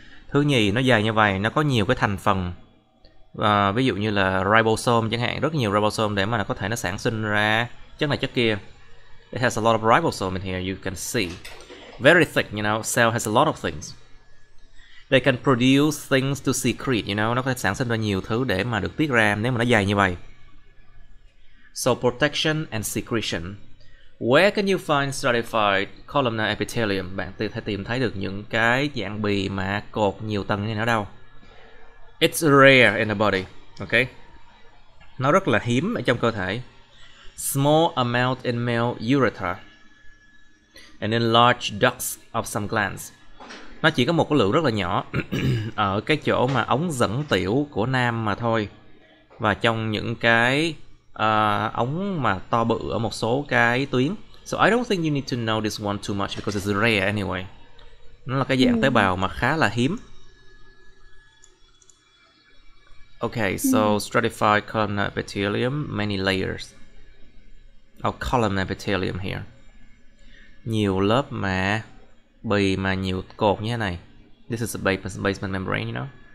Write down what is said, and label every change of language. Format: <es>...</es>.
<vi>Thứ nhì, nó dày như vậy, nó có nhiều cái thành phần. Ví dụ như là ribosome chẳng hạn, rất nhiều ribosome để mà nó có thể nó sản sinh ra chất này chất kia.</vi> <en>It has a lot of ribosome in here, you can see. Very thick, you know, cell has a lot of things. They can produce things to secrete, you know,</en> <vi>nó có thể sản sinh ra nhiều thứ để mà được tiết ra nếu mà nó dày như vậy.</vi> <en>So protection and secretion. Where can you find stratified columnar epithelium?</en> <vi>Bạn có thể tìm thấy được những cái dạng bì mà cột nhiều tầng như thế nào đâu?</vi> <en>It's rare in the body, okay?</en> <vi>Nó rất là hiếm ở trong cơ thể.</vi> <en>Small amount in male urethra and in large ducts of some glands.</en> <vi>Nó chỉ có một cái lượng rất là nhỏ ở cái chỗ mà ống dẫn tiểu của nam mà thôi. Và trong những cái ống mà to bự ở một số cái tuyến.</vi> <en>So I don't think you need to know this one too much because it's rare anyway.</en> <vi>Nó là cái dạng tế bào mà khá là hiếm.</vi> <en>Okay, so stratified columnar epithelium, many layers. Oh, columnar epithelium here.</en> <vi>Nhiều lớp mà mà nhiều cột như thế này.</vi> <en>This is a basement membrane, you know.</en>